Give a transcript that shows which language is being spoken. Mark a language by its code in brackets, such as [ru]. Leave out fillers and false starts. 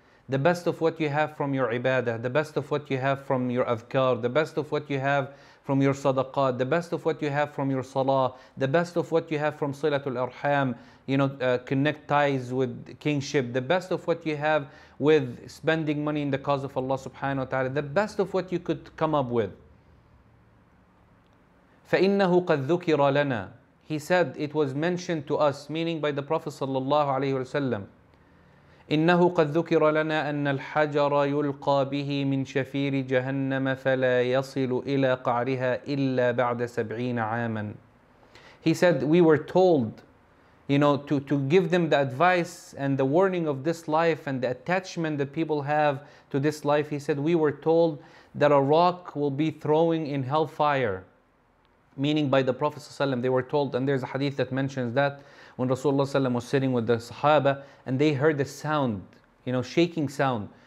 [en] The best of what you have from your ibadah, the best of what you have from your adhkar, the best of what you have from your sadaqat, the best of what you have from your salah, the best of what you have from silatul arham, you know, connect ties with kingship, the best of what you have with spending money in the cause of Allah subhanahu wa ta'ala, the best of what you could come up with. [ar] فَإِنَّهُ قَدْ ذُكِرَ لَنَا. [en] He said, it was mentioned to us, meaning by the Prophet sallallahu alayhi wa sallam, [ar] إِنَّهُ قَدْ ذُكِرَ لَنَا أَنَّ الْحَجَرَ يُلْقَى بِهِ مِنْ شَفِيرِ جَهَنَّمَ فَلَا يَصِلُ إِلَىٰ قَعْرِهَا إِلَّا بَعْدَ سَبْعِينَ عَامًا. [en] He said, we were told, you know, to give them the advice and the warning of this life and the attachment that people have to this life. He said, we were told that a rock will be throwing in hellfire, meaning by the Prophet ﷺ, they were told, and there's a hadith that mentions that, when Rasulullah ﷺ was sitting with the Sahaba and they heard a sound, you know, shaking sound.